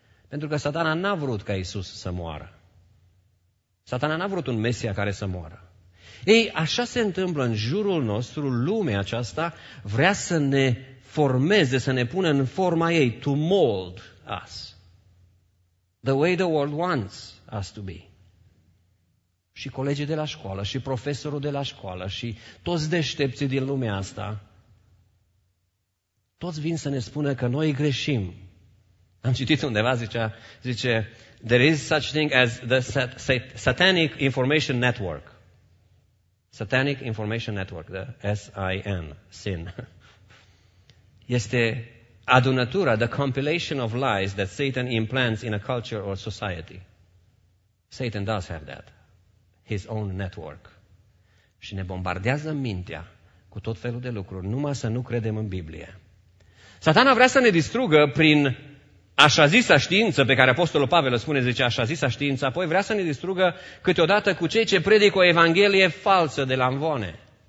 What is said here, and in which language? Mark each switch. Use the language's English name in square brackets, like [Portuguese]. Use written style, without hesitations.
[Romanian] Pentru că satana n-a vrut ca Iisus să moară. Satana n-a vrut un Mesia care să moară. Ei, așa se întâmplă în jurul nostru, lumea aceasta vrea să ne formeze, să ne pună în forma ei, [English] to mold us. The way the world wants us to be. [Romanian] Și colegii de la școală, și profesorul de la școală, și toți deștepții din lumea asta, toți vin să ne spună că noi greșim. Am citit undeva, zice, [English] there is such thing as the Satanic Information Network. Satanic Information Network, the S-I-N, sin. [Romanian] Este adunătura, [English] the compilation of lies that Satan implants in a culture or society. Satan does have that, his own network. [Romanian] Și ne bombardează mintea cu tot felul de lucruri, numai să nu credem în Biblie. Satana vrea să ne distrugă prin așa zisa știință, pe care Apostolul Pavel spune, zice așa zisa știință, apoi vrea să ne distrugă câteodată cu cei ce predică o evanghelie falsă de la învoane.